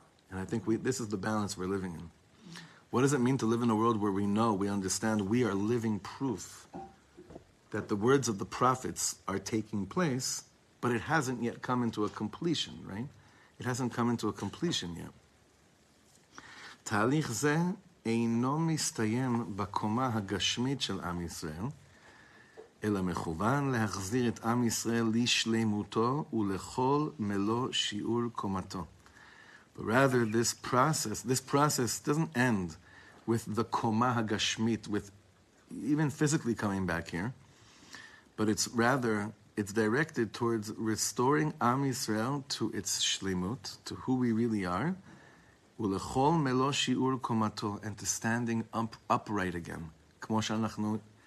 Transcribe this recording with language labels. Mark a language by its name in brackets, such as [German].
[English] And I think this is the balance we're living in. What does it mean to live in a world where we know, we understand, we are living proof that the words of the prophets are taking place, but it hasn't yet come into a completion, right? It hasn't come into a completion yet. [Hebrew] Talich ze eino mistayem bakoma hagashmit shel Am Yisrael, אלא מכוון להחזיר את עם ישראל לשלמותו ולכל מלוא שיעור קומתו. [English] But rather, this process doesn't end with the koma hagashmit, with even physically coming back here, but it's directed towards restoring Am Yisrael to its shlemut, to who we really are, [Hebrew] ולכל מלוא שיעור קומתו, [English] and to standing upright again, [Hebrew] כמו שאנחנו.